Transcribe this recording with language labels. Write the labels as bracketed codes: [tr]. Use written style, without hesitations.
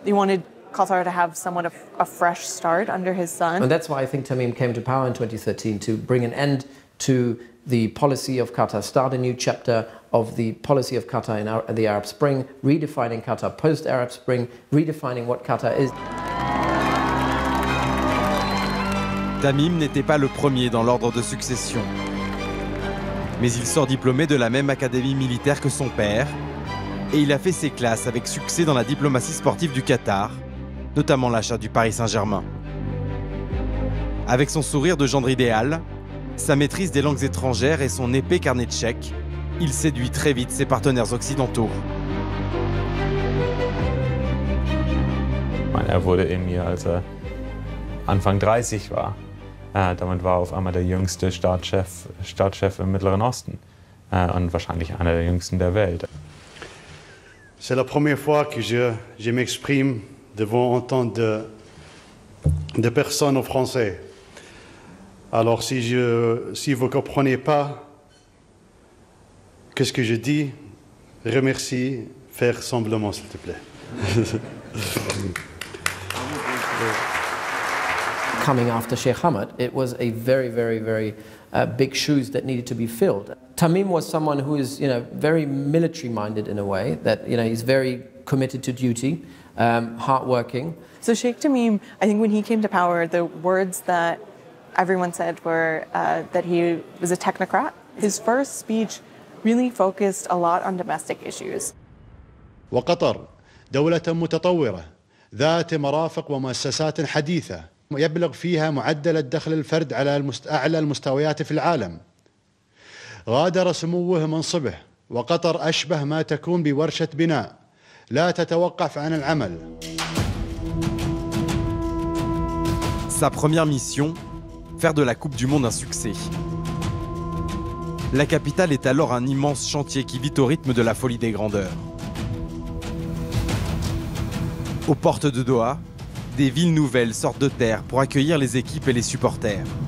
[en] He wanted Qatar to have somewhat of a fresh start under his son. And that's why I think Tamim came to power in 2013, to bring an end to the policy of Qatar, start a new chapter of the policy of Qatar in the Arab Spring, redefining Qatar post-Arab Spring, redefining what Qatar is. [fr] Tamim n'était pas le premier dans l'ordre de succession. Mais il sort diplômé de la même académie militaire que son père et il a fait ses classes avec succès dans la diplomatie sportive du Qatar, notamment l'achat du Paris Saint-Germain. Avec son sourire de gendre idéal, sa maîtrise des langues étrangères et son épais carnet de chèques, il séduit très vite ses partenaires occidentaux. [de] Er wurde Emir, als er Anfang 30 war. Damit war auf einmal der jüngste Staatschef im Mittleren Osten und wahrscheinlich einer der jüngsten der Welt. [fr] C'est la première fois que je m'exprime devant autant de personnes en français. Alors si vous ne comprenez pas qu'est-ce que je dis, remercie, faire semblant s'il te plaît. [en] Coming after Sheikh Hamad, it was a very, very, very big shoes that needed to be filled. Tamim was someone who is, you know, very military-minded in a way, that, you know, he's very committed to duty, hardworking. So Sheikh Tamim, I think when he came to power, the words that everyone said were that he was a technocrat. His first speech really focused a lot on domestic issues. [ar] وقطر دولة متطورة ذات مرافق ومؤسسات حديثة يبلغ فيها معدل الدخل الفرد على أعلى المستويات في العالم. غادر سموه منصبه وقطر أشبه ما تكون بورشة بناء لا تتوقف عن العمل. [fr] Sa première mission, faire de la Coupe du Monde un succès. La capitale est alors un immense chantier qui vit au rythme de la folie des grandeurs. Aux portes de Doha, des villes nouvelles sortent de terre pour accueillir les équipes et les supporters.